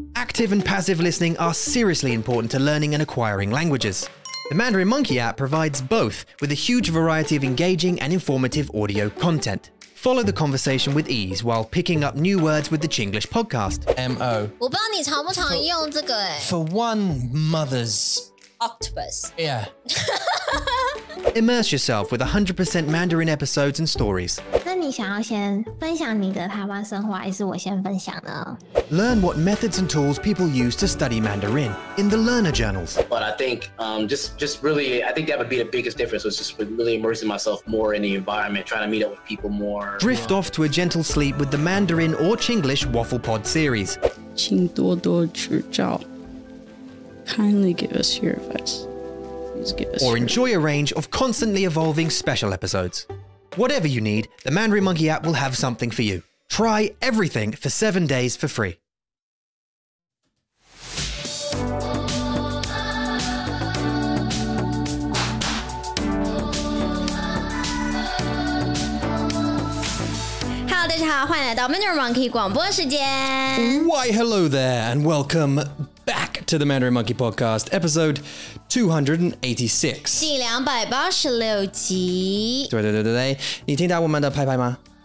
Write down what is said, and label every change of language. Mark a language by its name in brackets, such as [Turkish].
[English] Active and passive listening are seriously important to learning and acquiring languages. The Mandarin Monkey app provides both with a huge variety of engaging and informative audio content. Follow the conversation with ease while picking up new words with the Chinglish podcast. M.O. [Chinese] 我不知道你常不常用这个欸。 [English] For one mother's... Octopus. Yeah. Immerse yourself with 100% Mandarin episodes and stories. [Chinese] 那你想要先分享你的台湾生活还是我先分享呢? [English] Learn what methods and tools people use to study Mandarin in the learner journals. But I think I think that would be the biggest difference was just really immersing myself more in the environment, trying to meet up with people more. Drift off to a gentle sleep with the Mandarin or Chinglish Waffle Pod series. [Chinese] 请多多指教。 [English] Kindly give us your advice. Or enjoy a range of constantly evolving special episodes. Whatever you need, the Mandarin Monkey app will have something for you. Try everything for 7 days for free. [Chinese] Hello, 大家好，欢迎来到 Mandarin Monkey 广播时间。 [English] Why hello there and welcome back to the Mandarin Monkey Podcast, episode [Chinese] 286. 第286集。对对对对对，你听到我们的拍拍吗？